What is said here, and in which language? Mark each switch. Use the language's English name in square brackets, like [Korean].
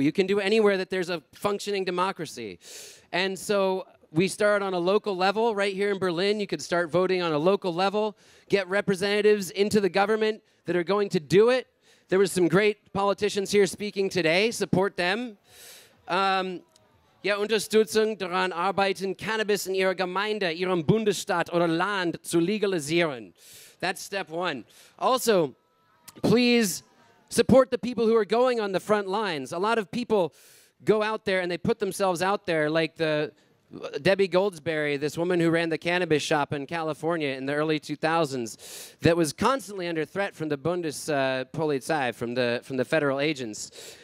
[English] You can do it anywhere that there's a functioning democracy. And so we started on a local level right here in Berlin. You could start voting on a local level, get representatives into the government that are going to do it. There were some great politicians here speaking today. Support them. [German] Ja, Unterstützung daran arbeiten, Cannabis in ihrer Gemeinde, ihrem Bundesstaat oder Land zu legalisieren. [English] That's step one. Also, please support the people who are going on the front lines. A lot of people go out there and they put themselves out there, like the Debbie Goldsberry, this woman who ran the cannabis shop in California in the early 2000s, that was constantly under threat from the Bundespolizei, from the federal agents.